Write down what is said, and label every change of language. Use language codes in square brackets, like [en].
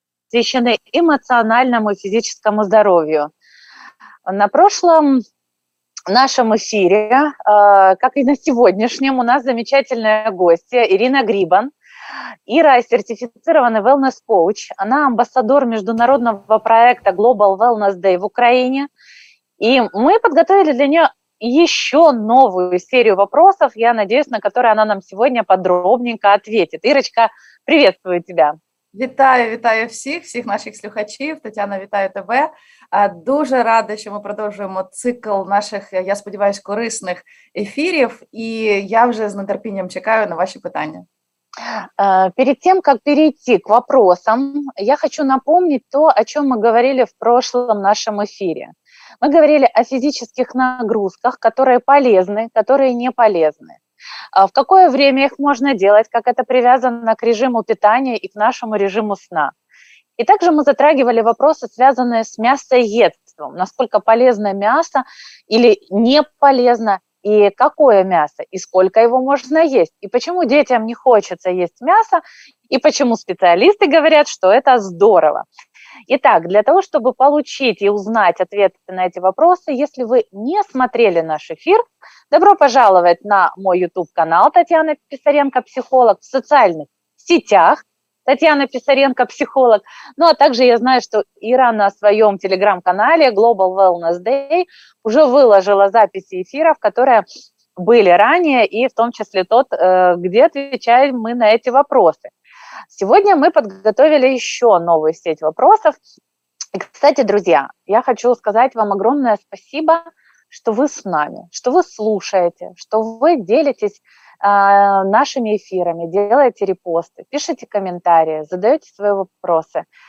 [ru] Посвящены эмоциональному и физическому здоровью. На прошлом нашем эфире, как и на сегодняшнем, у нас замечательная гостья Ирина Грибан. Ира – сертифицированный wellness-коуч. Она амбассадор международного проекта Global Wellness Day в Украине. И мы подготовили для нее еще новую серию вопросов, я надеюсь, на которые она нам сегодня подробненько ответит. Ирочка, приветствую тебя. [uk] Вітаю, вітаю всіх наших слухачів. Тетяна, вітаю тебе. Дуже рада, що ми продовжуємо цикл наших, я сподіваюся, корисних ефірів. І я вже з нетерпінням чекаю на ваші питання. [ru] Перед тем, как перейти к вопросам, я хочу напомнить то, о чем мы говорили в прошлом нашем эфире. Мы говорили о физических нагрузках, которые полезны, которые не полезны. В какое время их можно делать, как это привязано к режиму питания и к нашему режиму сна. И также мы затрагивали вопросы, связанные с мясоедством. Насколько полезно мясо или не полезно, и какое мясо, и сколько его можно есть, и почему детям не хочется есть мясо, и почему специалисты говорят, что это здорово. Итак, для того, чтобы получить и узнать ответы на эти вопросы, если вы не смотрели наш эфир, добро пожаловать на мой YouTube-канал «Татьяна Писаренко, психолог» в социальных сетях «Татьяна Писаренко, психолог». Ну, а также я знаю, что Ира на своем телеграм-канале «Global Wellness Day» уже выложила записи эфиров, которые были ранее, и в том числе тот, где отвечаем мы на эти вопросы. Сегодня мы подготовили еще новую сеть вопросов. И, кстати, друзья, я хочу сказать вам огромное спасибо, что вы с нами, что вы слушаете, что вы делитесь нашими эфирами, делаете репосты, пишите комментарии, задаете свои вопросы.